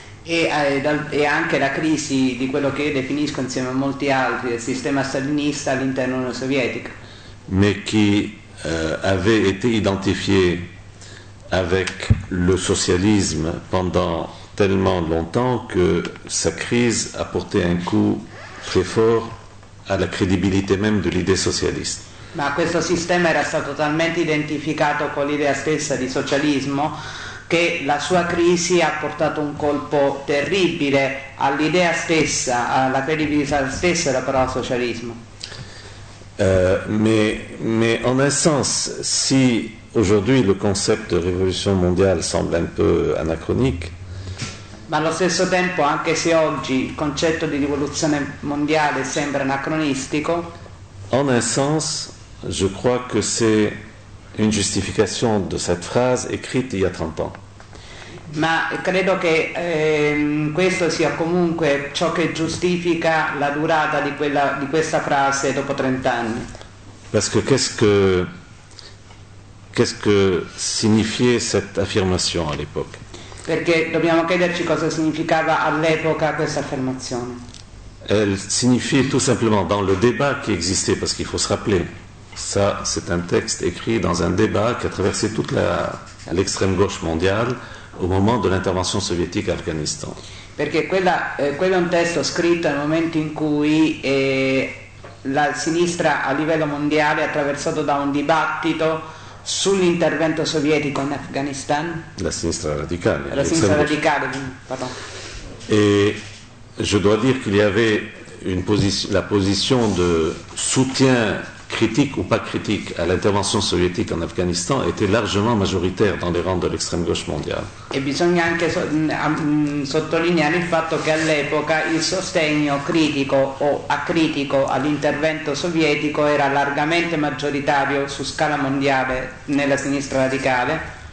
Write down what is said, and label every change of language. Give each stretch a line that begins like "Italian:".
Italian: E anche la crisi di quello che io definisco insieme a molti altri del sistema stalinista all'interno dell'Unione Sovietica.
French: Mais qui avait été identifié avec le socialisme pendant tellement longtemps que sa crise a porté un coup très fort à la crédibilité même de l'idée socialiste.
Italian: Ma questo sistema era stato talmente identificato con l'idea stessa di socialismo che la sua crisi ha portato un colpo terribile all'idea stessa, alla credibilità stessa della parola socialismo.
French: Mais en un sens, si aujourd'hui le concept de révolution mondiale semble un peu anachronique,
Italian: ma allo stesso tempo, anche se oggi il concetto di rivoluzione mondiale sembra anacronistico,
French: en un sens, je crois que c'est une justification de cette phrase écrite il y a 30 ans.
Italian: Ma credo che questo sia comunque ciò che giustifica la durata di quella di questa frase dopo 30 anni.
French: Parce que qu'est-ce que signifiait cette affirmation à l'époque?
Italian: Perché dobbiamo chiederci cosa significava all'epoca questa affermazione.
French: Elle signifiait tout simplement dans le débat qui existait, parce qu'il faut se rappeler, ça c'est un texte écrit dans un débat qui a traversé toute l'extrême gauche mondiale au moment de l'intervention soviétique en Afghanistan.
Italian: Perché quella quello è un testo scritto al momento in cui la sinistra a livello mondiale attraversato da un dibattito sull'intervento sovietico in Afghanistan. La sinistra radicale. La sinistra radicale, pardon.
French: Et je dois dire qu'il y avait une position, la position de soutien critique ou pas critique à l'intervention soviétique en Afghanistan était largement majoritaire dans les rangs de l'extrême gauche mondiale.
Italian: Et bisogna anche sottolineare il fatto che all'epoca il sostegno critico o acritico all'intervento sovietico era largamente maggioritario su scala mondiale nella sinistra radicale.